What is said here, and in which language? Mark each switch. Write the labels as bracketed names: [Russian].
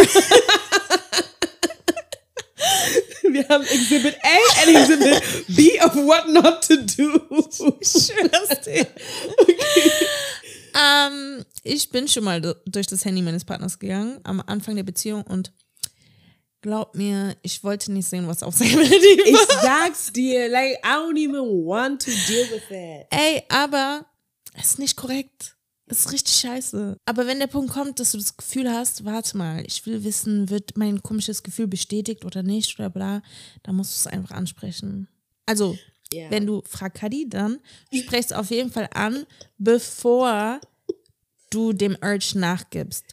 [German] Wir haben [English] Exhibit A and Exhibit B of what not to do. [German] Schön, dass du... Okay. Ich bin schon mal durch das Handy meines Partners gegangen, am Anfang der Beziehung und glaub mir, ich wollte nicht sehen, was auf seinem Handy war. Ich sag's dir, [English] like, I don't even want to deal with it. [German] Ey, aber es ist nicht korrekt. Es ist richtig scheiße. Aber wenn der Punkt kommt, dass du das Gefühl hast, warte mal, ich will wissen, wird mein komisches Gefühl bestätigt oder nicht oder bla, dann musst du es einfach ansprechen. Also, wenn du fragst, Kadi, dann sprichst du auf jeden Fall an, bevor du dem Urge nachgibst.